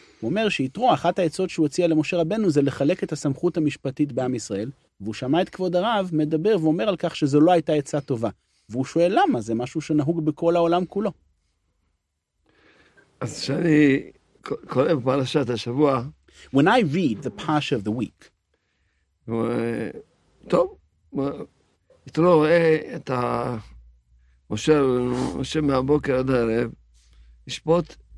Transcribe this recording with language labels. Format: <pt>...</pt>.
<he>הוא אומר שיתרו, אחת העצות שהוא הציע למשה רבנו זה לחלק את הסמכות המשפטית בעם ישראל, והוא שמע את כבוד הרב מדבר ואומר על כך שזו לא הייתה עצה טובה. והוא שואל למה, זה משהו שנהוג בכל העולם כולו. אז כשאני קורא בפרשת השבוע...</he> <en>When I read the parasha of the week...</en> <he>טוב, יתרו רואה את משה מהבוקר עד הערב, ישפוט...</he>